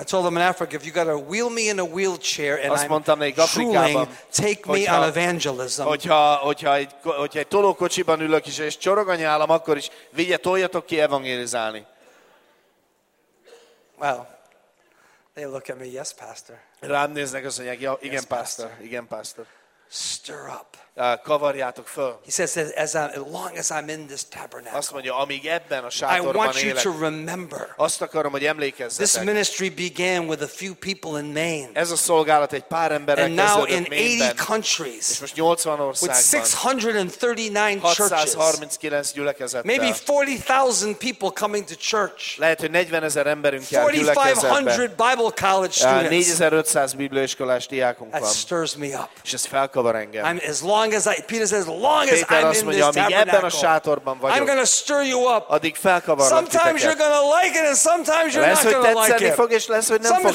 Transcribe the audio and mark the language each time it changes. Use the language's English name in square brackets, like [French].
[English] I told them in Africa, if you got to wheel me in a wheelchair and [Hungarian] azt [English] I'm drooling, take me on evangelism. [Hungarian] Hogyha egy tolókocsiban ülök is, és csoroganyálom, akkor is vigye, toljatok ki evangelizálni. [English] Well, they look at me, yes, pastor. [Hungarian] Rám néznek, azt mondják, igen, pastor. Igen, pastor. [English] Stir up. [Hungarian] Kavarjátok föl. [English] He says, as long as I'm in this tabernacle. [Hungarian] Azt mondja, amíg ebben a sátorban élek. [English] I want you to remember. [Hungarian] Azt akarom, hogy emlékezzetek. [English] This ministry began with a few people in Maine. [Hungarian] Ez a szolgálat egy pár emberrel kezdődött Maine-ben. [English] And now in 80 countries. [Hungarian] És most 80 országban. [English] With 639 churches. Maybe 40,000 people coming to church. [Hungarian] Lehet, hogy 40,000 emberünk jár gyülekezetbe. [English] 4,500 Bible college students. [Hungarian] 4,500 bibliaiskolás diákunk van. [English] That stirs me up. [Hungarian] És ez felkavar engem. [English] As long as I'm in this tabernacle, I'm going to stir you up. Sometimes you're going to like it, and sometimes you're not going to like it.